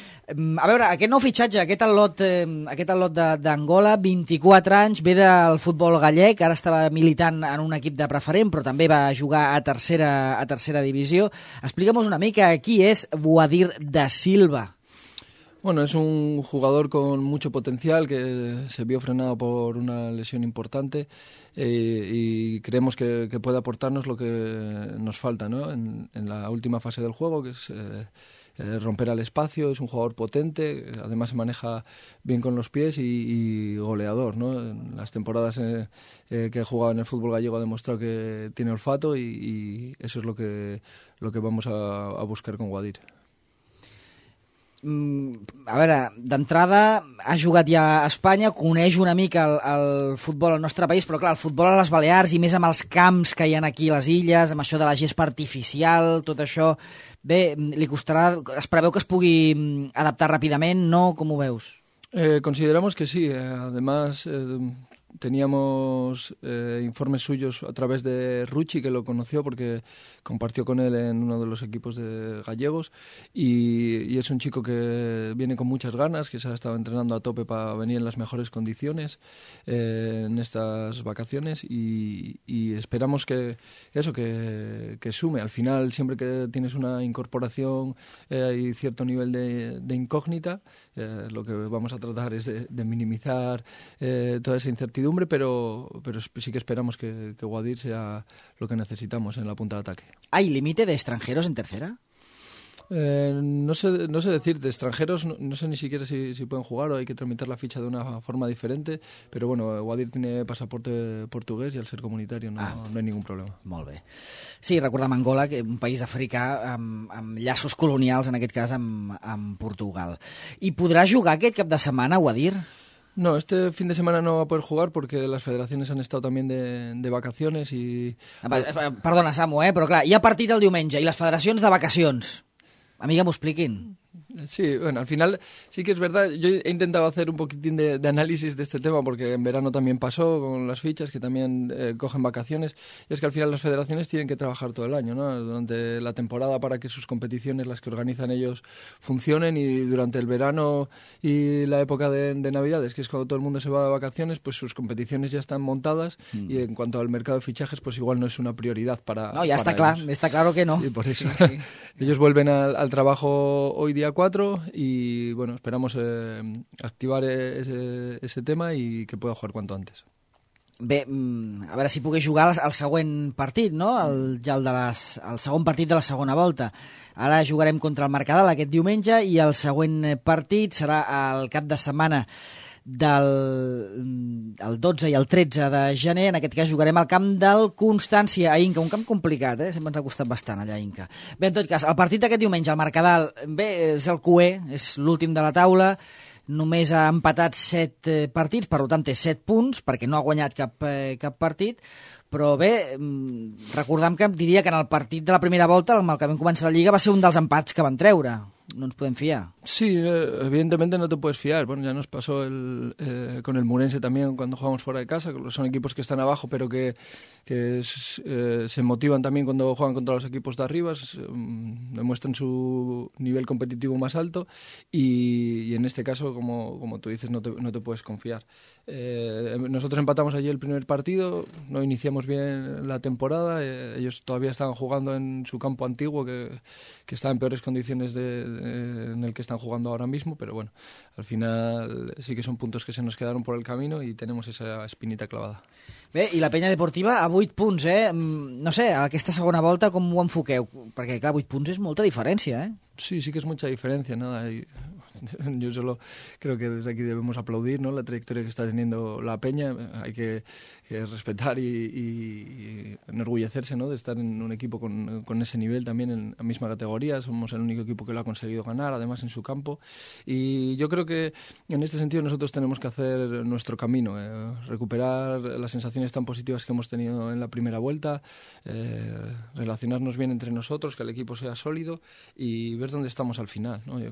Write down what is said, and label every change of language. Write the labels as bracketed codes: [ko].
[ca] A veure, aquest nou fitxatge, aquest al·lot d'Angola, 24 anys, ve del futbol gallec, ara estava militant en un equip de preferent, però també va jugar a tercera divisió. Explica'm-nos una mica qui és Boadir da Silva. [es] Bueno, es un jugador con mucho potencial que se vio frenado por una lesión importante y creemos que puede aportarnos lo que nos falta, ¿no? En la última fase del juego, que es romper al espacio. Es un jugador potente, además se maneja bien con los pies y goleador, ¿no? En las temporadas que ha jugado en el fútbol gallego ha demostrado que tiene olfato y eso es lo que vamos a buscar con Guadir. [ca] A veure, d'entrada ha jugat ja a Espanya, coneix una mica el futbol al nostre país, però clar, el futbol a les Balears i més amb els camps que hi ha aquí a les illes, amb això de la gespa artificial, tot això, bé, li costarà, es preveu que es pugui adaptar ràpidament, no? Com ho veus? [es] Consideramos que sí, además teníamos informes suyos a través de Ruchi, que lo conoció porque compartió con él en uno de los equipos de gallegos y es un chico que viene con muchas ganas, que se ha estado entrenando a tope para venir en las mejores condiciones en estas vacaciones y esperamos que eso, que sume. Al final, siempre que tienes una incorporación hay cierto nivel de incógnita. Lo que vamos a tratar es de minimizar toda esa incertidumbre, pero sí que esperamos que Guadir sea lo que necesitamos en la punta de ataque. ¿Hay límite de extranjeros en tercera? No sé decir, de extranjeros no sé ni siquiera si pueden jugar o hay que tramitar la ficha de una forma diferente, pero bueno, Guadir tiene pasaporte portugués y al ser comunitario no hay ningún problema. [ca] Molt bé. Sí, recordem Angola, que un país africà amb llaços colonials, en aquest cas amb Portugal. I podrà jugar aquest cap de setmana, Guadir? [es] No, este fin de semana no va a poder jugar porque las federaciones han estado también de vacaciones y... [ca] Perdona, Samu, però clar, hi ha partit el diumenge i les federacions de vacacions... [es] Amiga, ¿me expliquen? Sí, bueno, al final sí que es verdad. Yo he intentado hacer un poquitín de análisis de este tema porque en verano también pasó con las fichas, que también cogen vacaciones. Y es que al final las federaciones tienen que trabajar todo el año, ¿no? Durante la temporada para que sus competiciones, las que organizan ellos, funcionen. Y durante el verano y la época de Navidades, que es cuando todo el mundo se va de vacaciones, pues sus competiciones ya están montadas. Mm. Y en cuanto al mercado de fichajes, pues igual no es una prioridad para ellos. No, ya está claro, está claro que no. Sí, por eso. Sí. Ellos vuelven al trabajo hoy día 4 y bueno, esperamos activar ese tema y que pueda jugar cuanto antes. [ca] Bé, a veure si pugués jugar al següent partit, no? El segon partit de la segona volta. Ara jugarem contra el Mercadal aquest diumenge i el següent partit serà el cap de setmana del 12 i el 13 de gener. En aquest cas jugarem al camp del Constància, a Inca, un camp complicat, sempre ens ha costat bastant allà a Inca. Bé, en tot cas, el partit d'aquest diumenge al Mercadal, bé, és el QE, és l'últim de la taula, només ha empatat 7 partits, per tant té 7 punts, perquè no ha guanyat cap partit, però bé, recordem que diria que en el partit de la primera volta, amb el que vam començar la Lliga, va ser un dels empats que van treure. [es] No nos pueden fiar. Sí, evidentemente no te puedes fiar. Bueno, ya nos pasó con el Murense también cuando jugamos fuera de casa. Son equipos que están abajo, pero se motivan también cuando juegan contra los equipos de arriba. Demuestran su nivel competitivo más alto. Y en este caso, como tú dices, no te puedes confiar. Nosotros empatamos allí el primer partido. No iniciamos bien la temporada. Ellos todavía estaban jugando en su campo antiguo, que estaba en peores condiciones en el que están jugando ahora mismo, pero bueno, al final sí que son puntos que se nos quedaron por el camino y tenemos esa espinita clavada. [ca] Bé, i la penya deportiva a 8 punts, No sé, a aquesta segona volta com ho enfoqueu? Perquè, clar, 8 punts és molta diferència, Sí, sí que és molta diferència, [es] nada, y... Yo solo creo que desde aquí debemos aplaudir, ¿no?, la trayectoria que está teniendo la peña. Hay que respetar y enorgullecerse, ¿no?, de estar en un equipo con ese nivel también en la misma categoría. Somos el único equipo que lo ha conseguido ganar, además en su campo. Y yo creo que en este sentido nosotros tenemos que hacer nuestro camino, recuperar las sensaciones tan positivas que hemos tenido en la primera vuelta, relacionarnos bien entre nosotros, que el equipo sea sólido y ver dónde estamos al final, ¿no?